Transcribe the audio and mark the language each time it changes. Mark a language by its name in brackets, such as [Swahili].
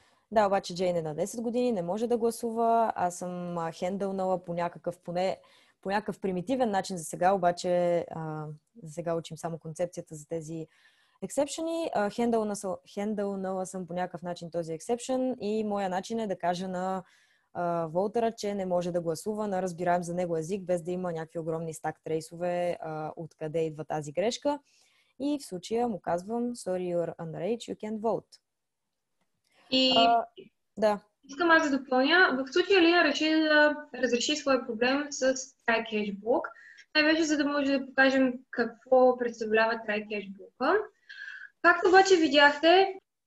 [Bulgarian] Да, обаче Джейн е на 10 години, не може да гласува. Аз съм хендълнала по някакъв, поне по някакъв примитивен начин за сега, обаче за сега учим само концепцията за тези ексепшъни. Хендълнала съм по някакъв начин този ексепшън и моя начин е да кажа на Волтера, че не може да гласува на разбираем за него език, без да има някакви огромни стак трейсове, откъде идва тази грешка. И в случая му казвам, [English] sorry you're underage, you can vote. [Bulgarian] И да. Искам аз да допълня, в случая Лина реши да разреши своя проблем с TryCashBlock, най-вече за да може да покажем какво представлява TryCashBlock. Както обаче видяхте...